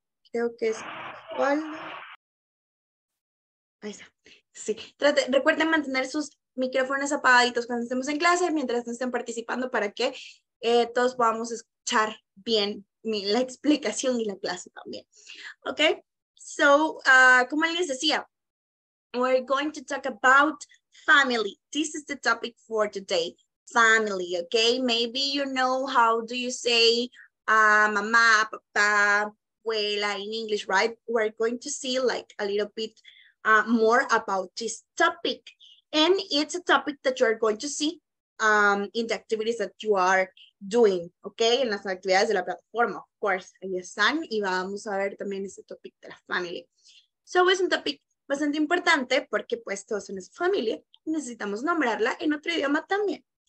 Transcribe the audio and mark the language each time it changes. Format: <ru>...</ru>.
<es>Creo que es Osvaldo. Ahí está. Sí, recuerden mantener sus micrófonos apagaditos cuando estemos en clase, mientras no estén participando para que todos podamos escuchar bien la explicación y la clase también.</es> <en>Okay, so,</en> <es>como les decía,</es> <en>we're going to talk about family. This is the topic for today, family, okay? Maybe you know how do you say mamá, papá, abuela in English, right? We're going to see like a little bit more about this topic. And it's a topic that you're going to see in the activities that you are doing, okay?</en> <es>En las actividades de la plataforma, of course, ahí están, y vamos a ver también ese topic de la familia. So, es un topic bastante importante porque, pues, todos son esa familia, necesitamos nombrarla en otro idioma también.</es>